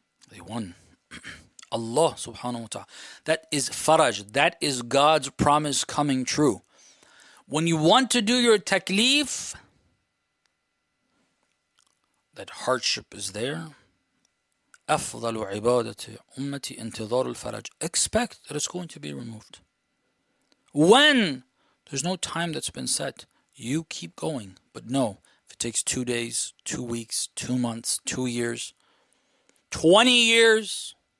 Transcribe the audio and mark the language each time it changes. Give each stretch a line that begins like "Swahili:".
English: They won. Allah subhanahu wa ta'ala. That is faraj. That is God's promise coming true. When you want to do your takleef, that hardship is there.
Arabic: أفضل عبادة أمتي انتظار الفرج.
English: Expect that it's going to be removed. When there's no time that's been set, you keep going. But no, if it takes 2 days, 2 weeks, 2 months, 2 years, 20 years.